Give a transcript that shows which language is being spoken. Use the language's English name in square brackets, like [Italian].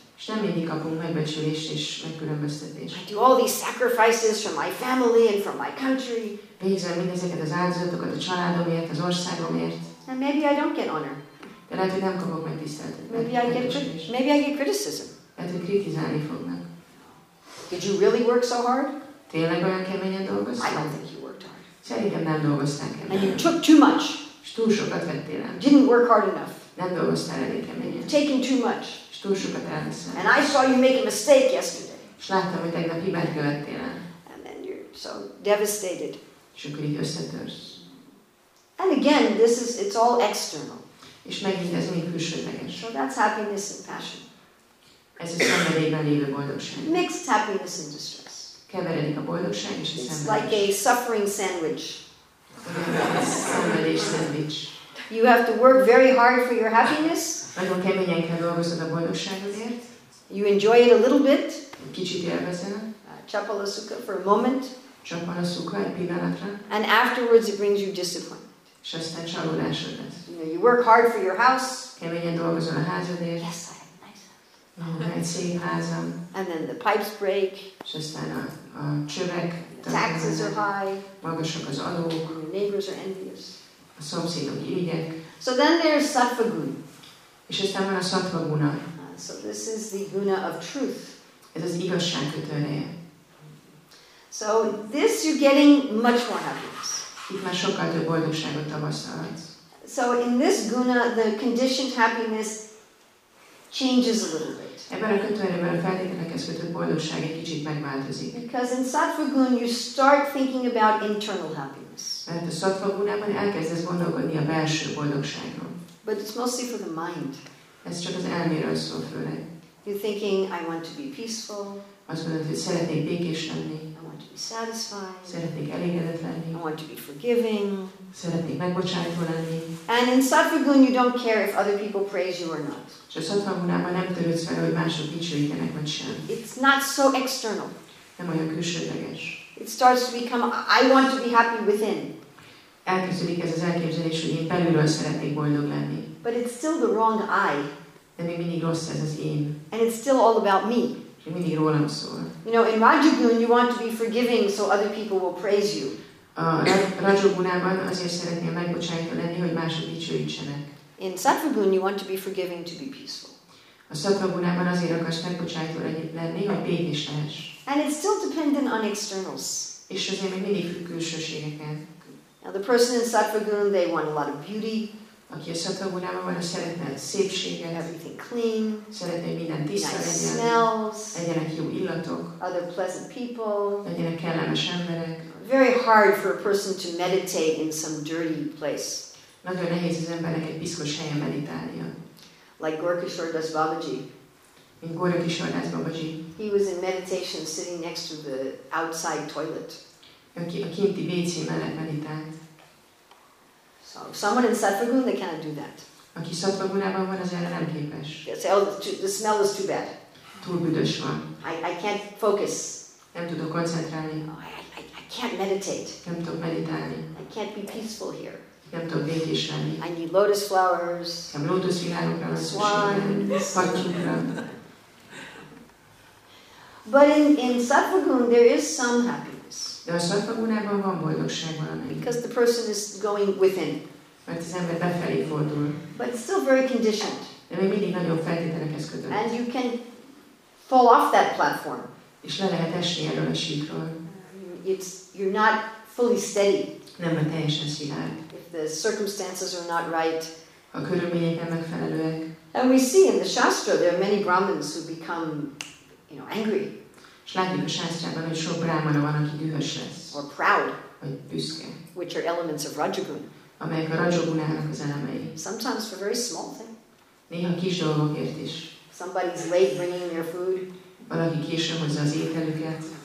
[Hungarian] És nem mindig kapunk megbecsülést és megkülönböztetés. [English] I do all these sacrifices for my family and for my country. [Hungarian] Végzem mindezeket az áldozatokat a családomért, az országomért. [English] And maybe I don't get honor. [Hungarian] De lehet, hogy nem kapok meg tiszteltet. [English] Maybe I get criticism. [Hungarian] Lehet, hogy kritizálni fognak. [English] Did you really work so hard? [Hungarian] Tényleg olyan keményen dolgoztál? [English] I don't think you worked hard. [Hungarian] Szerintem nem dolgoztál keményen. [English] And you took too much. [Hungarian] És túl sokat vettél el. [English] Didn't work hard enough. [Hungarian] Nem dolgoztál elég keményen. [English] Taking too much. [Hungarian] És túl sokat elveszel. [English] And I saw you make a mistake yesterday. [Hungarian] És láttam, hogy tegnap hibát követtél el. [English] And then you're so devastated. [Hungarian] És akkor így összetörsz. [English] And again, this is, it's all external. [Hungarian] És megint ez még külsődleges. [English] So that's happiness and passion. [Hungarian] Ez a szenvedélyben lévő boldogság. [English] Mixed happiness and distress. [Hungarian] Keveredik a boldogság és a szenvedés. [English] It's like a suffering sandwich. [Hungarian] Szenvedés szendvics. [English] You have to work very hard for your happiness. [Hungarian] Nagyon keményen kell dolgoznod a boldogságodért. [English] You enjoy it a little bit. [Hungarian] Kicsit élvezel. [English] Csapalasuka for a moment. [Hungarian] Csapalasuka egy pillanatra. [English] And afterwards it brings you disappointment. [Hungarian] És aztán csalódásod lesz. [English] You know, you work hard for your house. [Hungarian] Keményen dolgozol a házadért. [English] Yes. And then the pipes break. [Hungarian] A csövek, [English] the taxes are high. [Hungarian] Magasak az adók. [English] Your neighbors are envious. [Hungarian] A szomszédok irigyek. [English] So then there's sattvaguna. [Hungarian] És aztán van a sattvaguna. [English] So this is the guna of truth. [Hungarian] Ez az igazság kötőereje. [English] So this you're getting much more happiness. [Hungarian] Itt már sokkal több boldogságot tapasztalhatsz. [English] So in this guna, the conditioned happiness changes a little bit. [Hungarian] Ebben a kötőerőben a feltételekhez kötött boldogság egy kicsit megváltozik. [English] Because in sattvagun you start thinking about internal happiness. [Hungarian] Mert a sattvagunában elkezdesz gondolkodni a belső boldogságról. [English] But it's mostly for the mind. [Hungarian] Ez csak az elméről szól főleg. [English] You're thinking, I want to be peaceful. [Hungarian] Azt mondod, hogy szeretnék békés lenni. [English] I want to be satisfied. [Hungarian] Szeretnék elégedett lenni. [English] I want to be forgiving. [Hungarian] Szeretnék megbocsátva lenni. [English] And in sattvagun you don't care if other people praise you or not. [Hungarian] És a sattvagunában nem törődsz vele, hogy mások dicsőítenek vagy sem. [English] It's not so external. [Hungarian] Nem olyan külsődleges. [English] It starts to become, I want to be happy within. [Hungarian] Elkezdődik ez az elképzelés, hogy én belülről szeretnék boldog lenni. [English] But it's still the wrong I. [Hungarian] De még mindig rossz ez az én. [English] And it's still all about me. [Hungarian] És mindig rólam szól. [English] You know, in Rajogun you want to be forgiving so other people will praise you. [Hungarian] Rajogunában azért szeretnél megbocsájtva lenni, hogy mások dicsőítsenek. [English] In Sattvagun you want to be forgiving to be peaceful. [Hungarian] A Sattvagunában azért akarsz megbocsájtva lenni, hogy békés lehess. [English] And it's still dependent on externals. [Hungarian] És azért még mindig függ külsőségeken. [English] Now the person in Sattvagun, they want a lot of beauty. [Hungarian] Aki a Sattvagunában van, az szeretne szépséget. [English] Everything clean. [Hungarian] Szeretne, hogy minden tiszta [English] nice [Hungarian] legyen. [English] Smells. [Hungarian] Legyenek jó illatok. [English] Other pleasant people. [Hungarian] Legyenek kellemes emberek. [English] Very hard for a person to meditate in some dirty place. [Hungarian] Nagyon nehéz az embernek egy piszkos helyen meditálnia. [English] Like Gorkhasar Das Babaji. [Hungarian] In Gorkhasar Das Babaji. [English] He was in meditation sitting next to the outside toilet. [Hungarian] A kinti WC mellett meditált. [English] So someone in Sattvagun, they cannot do that. [Hungarian] Aki Sattvagunában van, az erre nem képes. [English] They say, oh, the smell is too bad. [Hungarian] Túl büdös van. [English] I can't focus. [Hungarian] Nem tudok koncentrálni. [English] I can't meditate. [Hungarian] Nem tudok meditálni. [English] I can't be peaceful here. [Hungarian] Nem tudok békés lenni. [English] I need lotus flowers. [Hungarian] Nem lotus virágokra van szükségem. Patyukra. [English] But in Sattvagun there is some happiness. [Hungarian] De a Sattvagunában van boldogság valami. [English] Because the person is going within. [Hungarian] Mert az ember befelé fordul. [English] But it's still very conditioned. [Hungarian] De még mindig nagyon feltételekhez kötött. [English] And you can fall off that platform. [Hungarian] És le lehet esni erről a síkról. [English] It's you're not fully steady. [Hungarian] Nem a teljesen szilárd. [English] If the circumstances are not right. [Hungarian] A körülmények nem megfelelőek. [English] And we see in the Shastra there are many Brahmins who become, you know, angry. [Hungarian] És látjuk a sásztrában, hogy sok brámana van, aki dühös lesz. [English] Or proud. [Hungarian] Vagy büszke. [English] Which are elements of Rajogun. [Hungarian] Amelyek a Rajogunának az elemei. [English] Sometimes for very small thing. [Hungarian] Néha kis dolgokért is. [English] Somebody's late bringing their food. [Hungarian] Valaki későn hozza az ételüket.